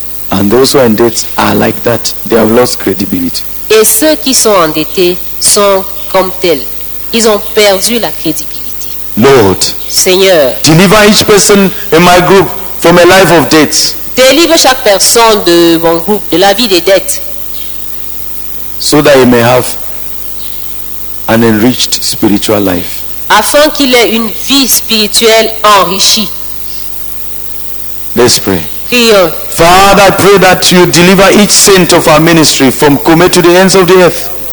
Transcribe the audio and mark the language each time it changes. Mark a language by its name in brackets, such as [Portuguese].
[English] And those who are in debt are like that. They have lost credibility. [French] Et ceux qui sont endettés sont comme tels. Ils ont perdu la crédibilité. [English] Lord, [French] Seigneur, [English] deliver each person in my group from a life of debts. [French] Délivre chaque personne de mon groupe de la vie des dettes. [English] So that he may have an enriched spiritual life. [French] Afin qu'il ait une vie spirituelle enrichie. [English] Let's pray. ill. Father, I pray that you deliver each saint of our ministry from Kome to the ends of the earth.